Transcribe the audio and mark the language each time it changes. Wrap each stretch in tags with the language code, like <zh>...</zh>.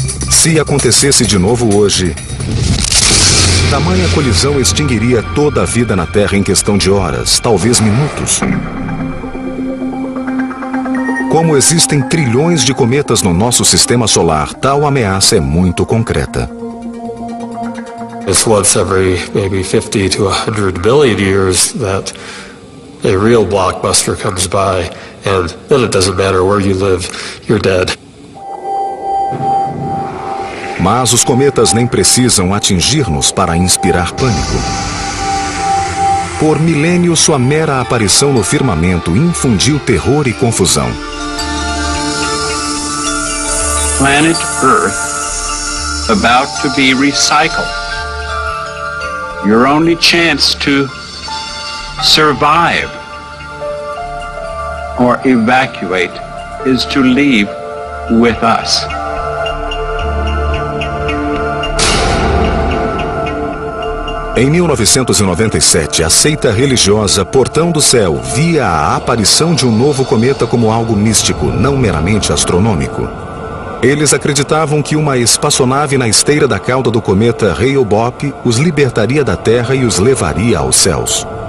<pt>Se acontecesse de novo hoje, tamanha colisão extinguiria toda a vida na Terra em questão de horas, talvez minutos. Como existem trilhões de cometas no nosso sistema solar, tal ameaça é muito concreta.</pt> <en>It's once every maybe 50 to 100 billion years that a real blockbuster comes by, and then it doesn't matter where you live, you're dead.</en> <pt>Mas os cometas nem precisam atingir-nos para inspirar pânico. Por milênios, sua mera aparição no firmamento infundiu terror e confusão.</pt> <en>Planet Earth, about to be recycled. Your only chance to survive or evacuate is to leave with us.</en> <pt>Em 1997, a seita religiosa Portão do Céu via a aparição de um novo cometa como algo místico, não meramente astronômico. Eles acreditavam que uma espaçonave na esteira da cauda do cometa Hale-Bopp os libertaria da Terra e os levaria aos céus.</pt>